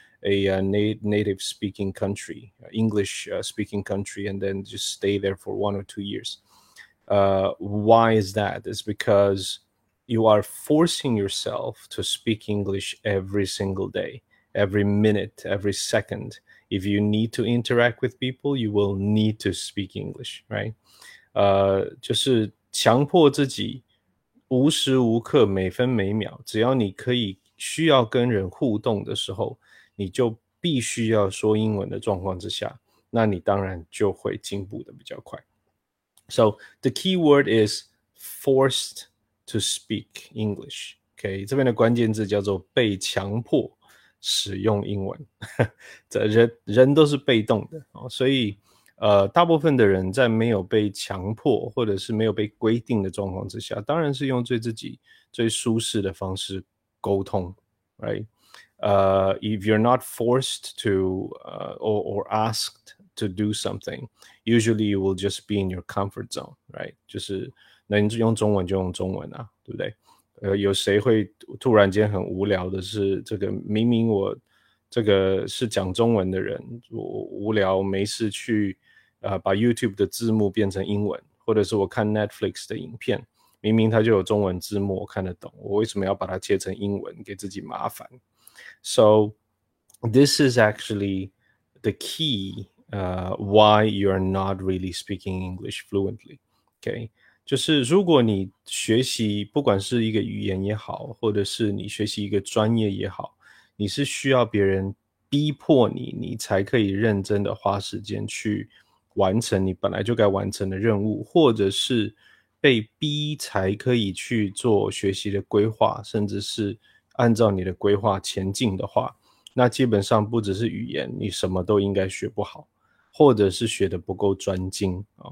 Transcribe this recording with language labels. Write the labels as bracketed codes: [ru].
[en] a native speaking country, English speaking country, and then just stay there for 1 or 2 years. Why is that? It's because you are forcing yourself to speak English every single day, every minute, every second. If you need to interact with people, you will need to speak English, right? [zh] 就是强迫自己无时无刻每分每秒，只要你可以需要跟人互动的时候，你就必须要说英文的状况之下，那你当然就会进步的比较快。 [en] So the key word is forced to speak English. [zh] Okay, 这边的关键字叫做被强迫使用英文。人都是被动的，所以大部分的人在没有被强迫或者是没有被规定的状况之下，当然是用最自己最舒适的方式沟通 ，right? [en] If you're not forced to or asked to do something, usually you will just be in your comfort zone, right? [zh] 就是能用中文就用中文啊，对不对？有谁会突然间很无聊的是这个明明我这个是讲中文的人，我无聊没事去把 YouTube 的字幕变成英文，或者是我看 Netflix 的影片，明明它就有中文字幕我看得懂，我为什么要把它切成英文给自己麻烦？ [en] So this is actually the key why you're not really speaking English fluently. [zh] Okay, 就是如果你学习不管是一个语言也好，或者是你学习一个专业也好，你是需要别人逼迫你，你才可以认真的花时间去完成你本来就该完成的任务，或者是被逼才可以去做学习的规划，甚至是按照你的规划前进的话，那基本上不只是语言，你什么都应该学不好，或者是学得不够专精。